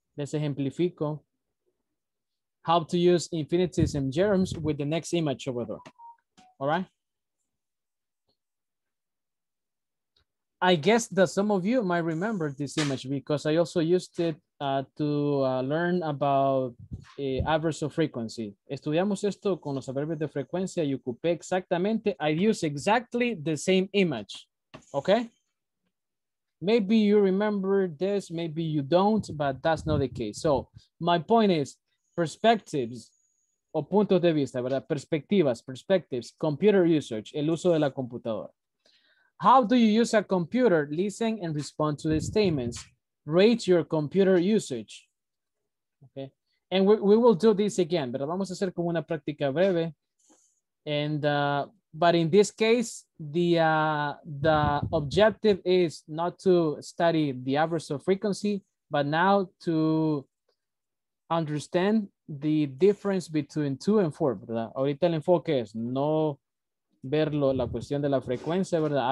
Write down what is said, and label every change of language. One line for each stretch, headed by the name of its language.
Spanish: Les ejemplifico
English: how to use infinitives and gerunds with the next image over there. All right. I guess that some of you might remember this image because I also used it learn about adverbs of frequency.
Spanish: Estudiamos esto con los adverbios de frecuencia y ocupé exactamente.
English: I use exactly the same image. Okay. Maybe you remember this, maybe you don't, but that's not the case. So my point is perspectives.
Spanish: O puntos de vista, ¿verdad? Perspectivas,
English: perspectives, computer usage,
Spanish: el uso de la computadora.
English: How do you use a computer? Listen and respond to the statements. Rate your computer usage. Okay. And we will do this again,
Spanish: ¿verdad? Vamos a hacer como una práctica breve.
English: And, but in this case, the objective is not to study the average of frequency, but now to understand the difference between 2 and 4, ¿verdad?
Spanish: Ahorita el enfoque es no verlo, la cuestión de la frecuencia, ¿verdad?